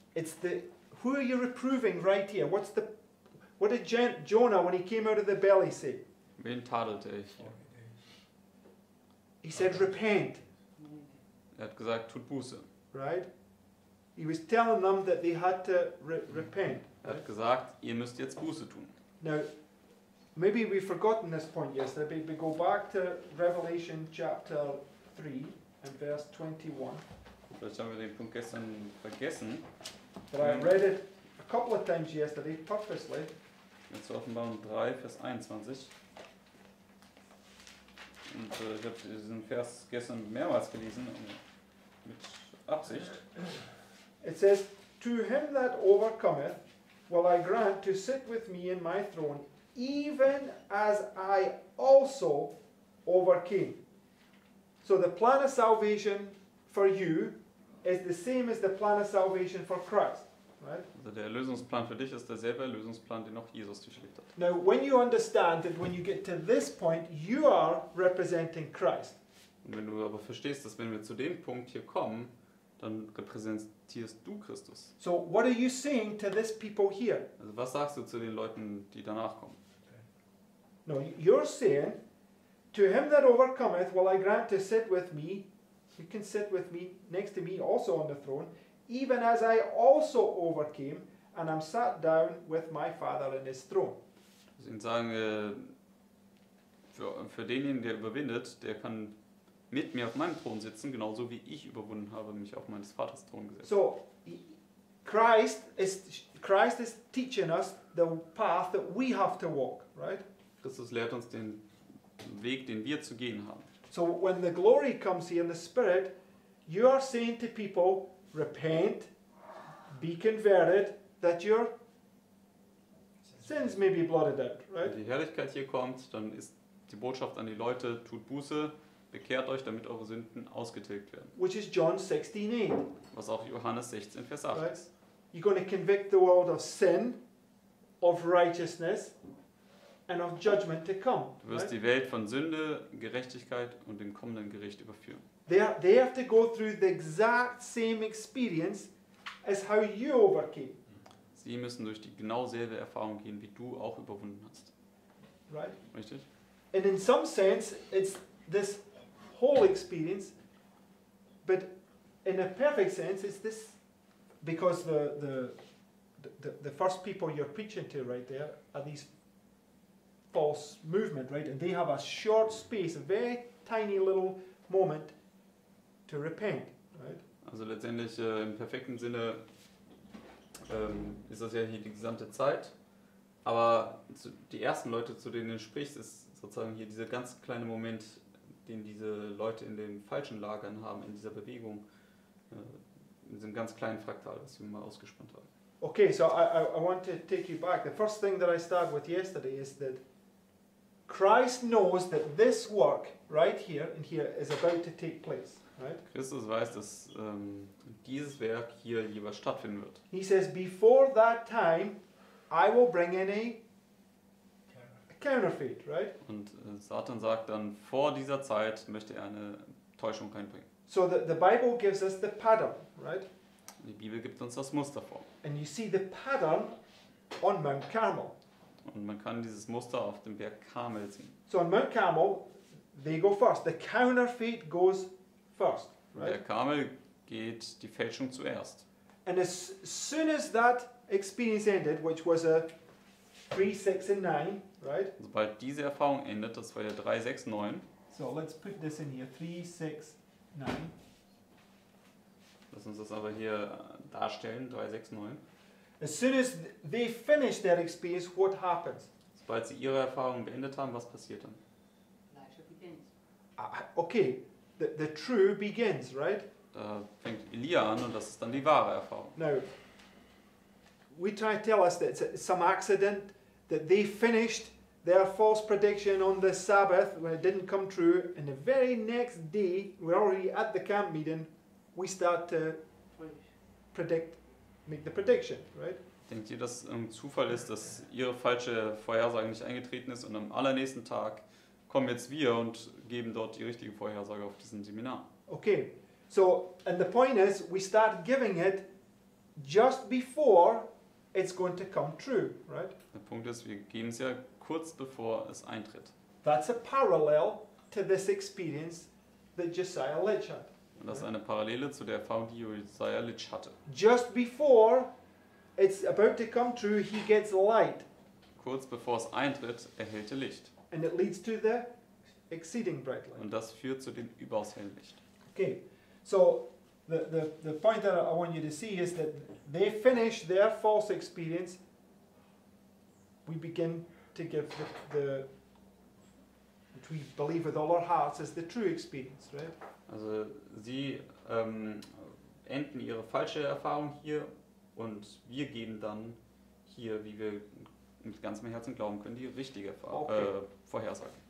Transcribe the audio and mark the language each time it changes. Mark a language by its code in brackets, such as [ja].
[en] It's the, who are you reproving right here? What's the, what did Jonah, when he came out of the belly, say? [de] Wen tadelte ich? [en] He said, repent. [de] Er hat gesagt, tut Buße. [en] Right? He was telling them that they had to repent. [de] Er hat gesagt, ihr müsst jetzt Buße tun. [en] Now, maybe we've forgotten this point yesterday, but we go back to Revelation chapter 3 and verse 21. [de] Vielleicht haben wir den Punkt gestern vergessen. [en] But I read it a couple of times yesterday, purposely. [de] Jetzt zu Offenbarung 3, Vers 21. Und ich habe diesen Vers gestern mehrmals gelesen, mit Absicht. [en] It says, to him that overcometh will I grant to sit with me in my throne, even as I also overcame. So the plan of salvation for you is the same as the plan of salvation for Christ, right? [de] Also der Erlösungsplan für dich ist derselbe Erlösungsplan, den auch Jesus durchlebt hat. [en] Now, when you understand that when you get to this point, you are representing Christ. [de] Und wenn du aber verstehst, dass wenn wir zu dem Punkt hier kommen, dann repräsentierst du Christus. [en] So what are you saying to this people here? [de] Also was sagst du zu den Leuten, die danach kommen? [en] No, you're saying, to him that overcometh will I grant to sit with me, he can sit with me, next to me also on the throne, even as I also overcame and am sat down with my father in his throne. [de] Sie sagen, für denjenigen, der überwindet, der kann mit mir auf meinem Thron sitzen, genauso wie ich überwunden habe, mich auf meines Vaters Thron gesetzt. [en] So, Christ is teaching us the path that we have to walk, right? [de] Christus lehrt uns den Weg, den wir zu gehen haben. [en] So, when the glory comes here in the Spirit, you are saying to people, repent, be converted, that your sins may be blotted out, right? [de] Wenn die Herrlichkeit hier kommt, dann ist die Botschaft an die Leute, tut Buße, bekehrt euch, damit eure Sünden ausgetilgt werden. [en] Which is John 16:8. [de] Was auch Johannes 16, Vers 8 ist. [en] You're going to convict the world of sin, of righteousness, and of judgment to come. [de] Du wirst die Welt von Sünde, Gerechtigkeit und dem kommenden Gericht überführen. [en] They have to go through the exact same experience as how you overcame. [de] Sie müssen durch die genau selbe Erfahrung gehen, wie du auch überwunden hast. [en] Right? [de] Richtig? [en] And in some sense, it's this whole experience, but in a perfect sense, it's this, because the first people you're preaching to right there are these false movement, right? And they have a short space, a very tiny little moment to repent, right? [de] Also letztendlich im perfekten Sinne ist das ja hier die gesamte Zeit, aber die ersten Leute, zu denen du sprichst, ist sozusagen hier dieser ganz kleine Moment, den diese Leute in den falschen Lagern haben, in dieser Bewegung, in diesem ganz kleinen Fraktal, was wir mal ausgespannt haben. [en] Okay, so I want to take you back. The first thing that I started with yesterday is that Christ knows that this work right here and here is about to take place, right? [de] Christus weiß, dass dieses Werk hier jeweils stattfinden wird. [en] He says, before that time, I will bring in a counterfeit, right? [de] Und Satan sagt dann, vor dieser Zeit möchte er eine Täuschung einbringen. [en] So the Bible gives us the pattern, right? [de] Die Bibel gibt uns das Muster vor. [en] And you see the pattern on Mount Carmel. [de] Und man kann dieses Muster auf dem Berg Carmel sehen. [en] So on Mount Carmel, they go first. The counterfeit goes first, right? [de] Der Carmel geht die Fälschung zuerst. [en] And as soon as that experience ended, which was a 3, 6 and 9, right? [de] Sobald diese Erfahrung endet, das war ja 3, 6, 9. [en] So let's put this in here, 3, 6, 9. [de] Lass uns das aber hier darstellen, 3, 6, 9. [en] As soon as they finish their experience, what happens? [de] Sobald sie ihre Erfahrung beendet haben, was passiert dann? [en] Elisha begins. Okay, the true begins, right? [de] Da fängt Elia an und das ist dann die wahre Erfahrung. [en] Now, we try to tell us that it's some accident, that they finished their false prediction on the Sabbath, when it didn't come true, and the very next day, we're already at the camp meeting, we start to predict. Make the prediction, right? [de] Denkt ihr, dass es ein Zufall ist, dass ihre falsche Vorhersage nicht eingetreten ist und am allernächsten Tag kommen jetzt wir und geben dort die richtige Vorhersage auf diesem Seminar? [en] Okay, so, and the point is, we start giving it just before it's going to come true, right? [de] Der Punkt ist, wir geben es ja kurz bevor es eintritt. [en] That's a parallel to this experience that Josiah Litch had. [de] Und das ist eine Parallele zu der Erfahrung, die Josiah Litch hatte. [en] Just before it's about to come true, he gets light. [de] Kurz bevor es eintritt, erhält er Licht. [en] And it leads to the exceeding bright light. [de] Und das führt zu dem überaus hellen Licht. [en] Okay, so the point that I want you to see is that they finish their false experience. We begin to give the which we believe with all our hearts is the true experience, right? [de] Also sie enden ihre falsche Erfahrung hier und wir geben dann hier, wie wir mit ganzem Herzen glauben können, die richtige Vorhersage.